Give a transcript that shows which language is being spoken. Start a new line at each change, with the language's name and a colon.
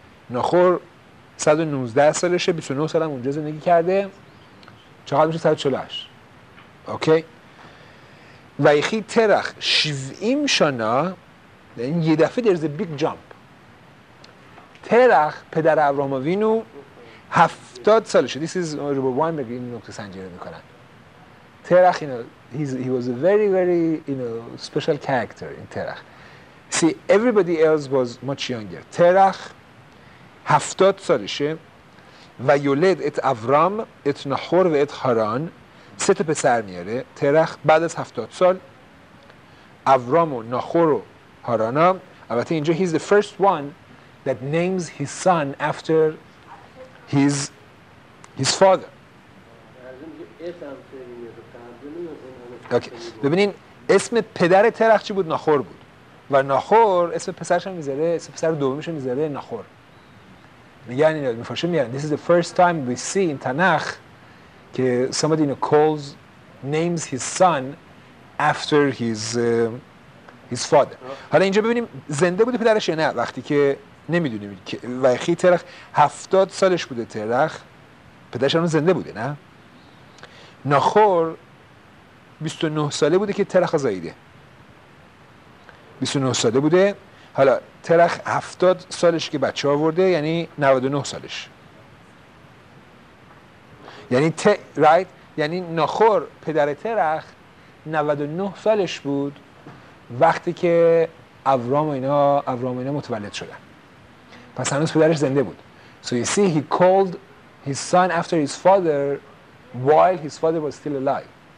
Persian: نخور 119 سالشه، 29 سال هم اونجا زندگی کرده، چقدر میشه 148. اوکی، و ایخی ترخ 70 شانه، یعنی یه دفعه درز بیگ جامپ، ترخ پدر ابراهاموینو 70 سالشه.
English: This is Rubowine
Persian: میگه این نقطه سنجی رو میکنن.
English: ترخ
Persian: اینو
English: he was a very very you know special character in ترخ. See everybody else was much younger.
Persian: ترخ 70 سالشه و یولد ات ابرام ات نحور و ات هاران، سه تا پسر میاره ترخ بعد از 70 سال، ابرام و نخور و هارانا. البته اینجا
English: he's the first one that names his son after his father. okay.
Persian: ببینین اسم پدر ترخ چی بود؟ نخور بود، و نخور اسم پسرش هم میذاره، اسم پسر دومش هم میذاره نخور. میگن اینا میفرشه میارن
English: this is the first time we see in Tanakh
Persian: که
English: somebody in a calls names his son after his father.
Persian: حالا اینجا ببینیم زنده بوده پدرش یا نه، وقتی که نمیدونیم که ویخی ترخ 70 سالش بوده، ترخ پدرش هم زنده بوده نه. نخور 29 ساله بوده که ترخ زاییده، 29 ساله بوده. حالا ترخ 70 سالش که بچه آورده، یعنی 99 سالش، یعنی رایت، یعنی نخور پدر ترخ 99 سالش بود وقتی که ابرام و اینا متولد شدن، پس هنوز پدرش زنده بود.
English: So you see he called his son after his father while his father was still alive.